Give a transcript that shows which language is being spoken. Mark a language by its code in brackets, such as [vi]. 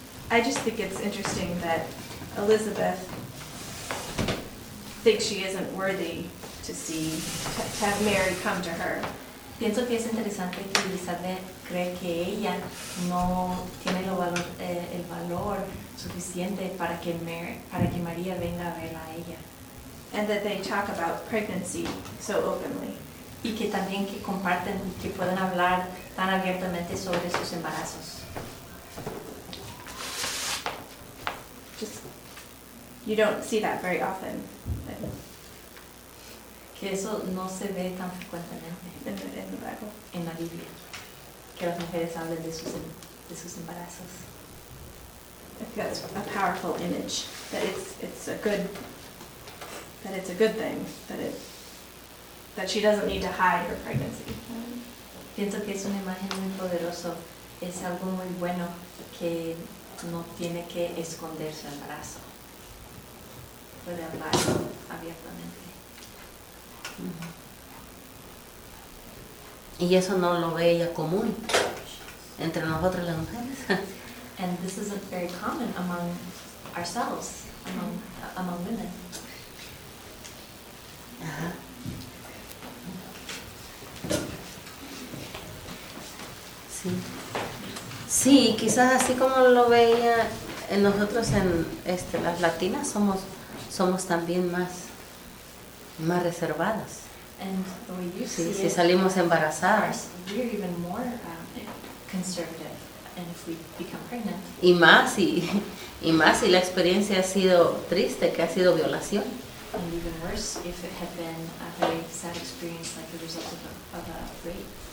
[en] I just think it's interesting that Elizabeth thinks she isn't worthy to have Mary come to her. [es] Pienso que es interesante que Elizabeth cree que ella no tiene el valor suficiente para que María venga a verla a ella. [en] And that they talk about pregnancy so openly. [es] Y que también que comparten y que pueden hablar tan abiertamente sobre sus embarazos. [en] Just, you don't see that very often. [es] Que eso no se ve tan frecuentemente en la Biblia. Que las mujeres hablen de sus embarazos. [en] I think that's a powerful image. That it's a good thing. That she doesn't need to hide her pregnancy. [es] Pienso que es una imagen muy poderosa. Es algo muy bueno que no tiene que esconder su embarazo. Puede hablar abiertamente. Y eso no lo ve ella común entre nosotras las mujeres. [en] And this isn't very common among ourselves, among women. [es] Sí. Sí, quizás así como lo veía en nosotros en las latinas somos también más reservadas. [en] And the way you [es] sí, si [en] it, [es] salimos embarazadas, [en] we're even more conservative and if we become pregnant. [es] Y más si la experiencia ha sido triste, que ha sido violación. [en] And even worse if it had been a very sad experience like the result of a rape.